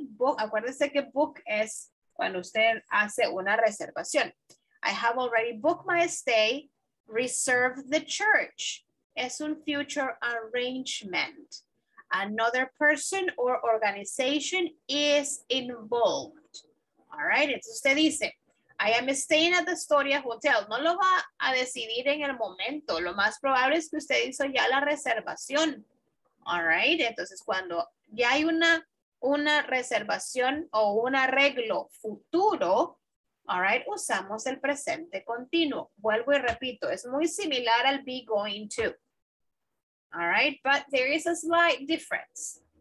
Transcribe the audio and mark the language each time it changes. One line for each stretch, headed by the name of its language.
Spanish: Book, acuérdense que book es cuando usted hace una reservación.
English: I have already booked my stay, reserved the church.
Spanish: Es un
English: future arrangement. Another person or organization is involved. All right,
Spanish: entonces usted dice,
English: I am staying at the Astoria Hotel.
Spanish: No lo va a decidir en el momento. Lo más probable es que usted hizo ya la reservación. All right, entonces cuando ya hay una reservación o un arreglo futuro, all right, usamos el presente continuo. Vuelvo y repito, es muy similar al be going to.
English: All right, but there is a slight difference.